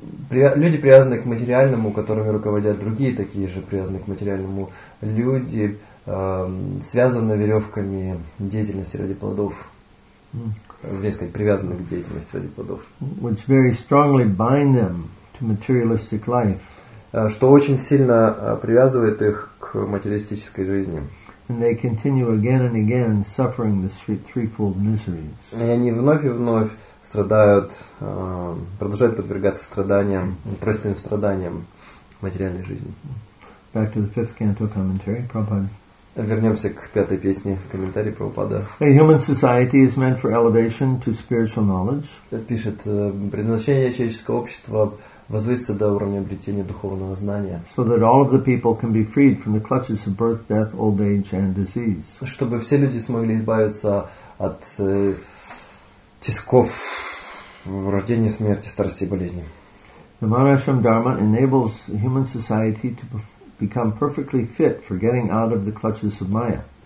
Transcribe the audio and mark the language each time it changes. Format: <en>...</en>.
<ru>Люди, привязанные к материальному, которыми руководят другие такие же привязанные к материальному люди, связаны веревками деятельности ради плодов. Привязаны к деятельности ради плодов.</ru> <en>Which very strongly bind them to materialistic life.</en> <ru>Что очень сильно привязывает их к материалистической жизни.</ru> <en>And they continue again and again suffering the threefold miseries.</en> <ru>И они вновь и вновь страдают, продолжают подвергаться страданиям, тройственным страданиям материальной жизни.</ru> <en>Back to the fifth canto commentary, Prabhupada.</en> <ru>Вернемся к пятой песне комментарии Прабхупады.</ru> <en>A human society is meant for elevation to spiritual knowledge.</en> <ru>Пишет, предназначение человеческого общества возвыситься до уровня обретения духовного знания.</ru> <en>So that all of the people can be freed from the clutches of birth, death, old age and disease.</en> <ru>Чтобы все люди смогли избавиться от тисков рождения, смерти, старости и болезни.</ru> <en>The Varnashram Dharma enables human society to become perfectly fit for getting out of the clutches of Maya.</en>